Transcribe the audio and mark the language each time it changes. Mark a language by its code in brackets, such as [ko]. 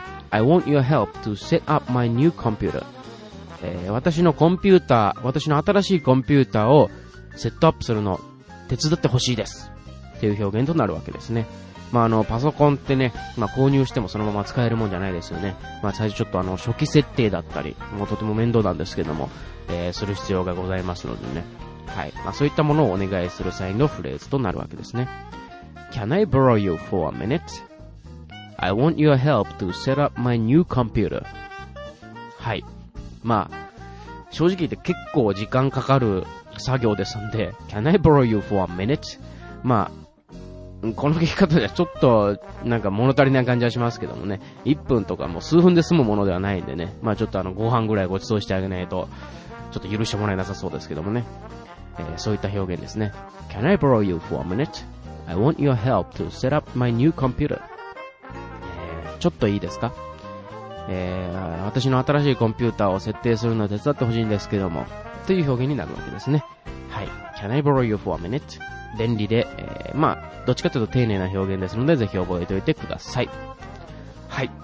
[en] I want your help to set up my new computer. [ja] 私のコンピューター、私の新しいコンピューターをセットアップするの手伝ってほしいです。っていう表現となるわけですね。まあ、パソコンってね、まあ、購入してもそのまま使えるもんじゃないですよね。まあ、最初ちょっと初期設定だったり、もうとても面倒なんですけども、する必要がございますのでね。はい。まあ、そういったものをお願いする際のフレーズとなるわけですね。 [en] Can I borrow you for a minute? I want your help to set up my new computer. [ja] はい。まあ、正直言って結構時間かかる作業ですんで、 [en] Can I borrow you for a minute? [ja] まあ、この聞き方ではちょっとなんか物足りない感じはしますけどもね、1分とかもう数分で済むものではないんでね、まあちょっとご飯ぐらいご馳走してあげないと、ちょっと許してもらえなさそうですけどもね、そういった表現ですね。 [en] Can I borrow you for a minute? I want your help to set up my new computer. [ja] ちょっといいですか? 私の新しいコンピューターを設定するのを手伝ってほしいんですけども、という表現になるわけですね。 [en] はい。Can I borrow you for a minute? [ja] 便利で、まあ、どっちかというと丁寧な表現ですので、ぜひ覚えておいてください。はい。